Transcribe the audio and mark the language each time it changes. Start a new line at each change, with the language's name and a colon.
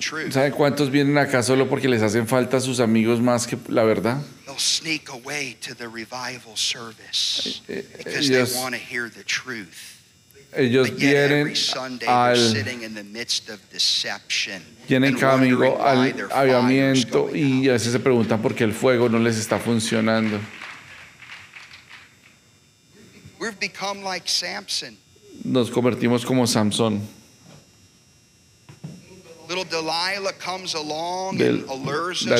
Spanish: ¿Saben cuántos vienen acá solo porque les hacen falta sus amigos más que la verdad?
English: They'll sneak away to the revival service because ellos, they want to hear the truth.
Spanish: Ellos
English: but yet every Sunday they're sitting in the midst of deception.
Spanish: Tienen camino al avivamiento y a veces se preguntan por qué el fuego no les está funcionando.
English: We've become like Samson.
Spanish: Nos convertimos como Samson.
English: Little Delilah comes along and allures us.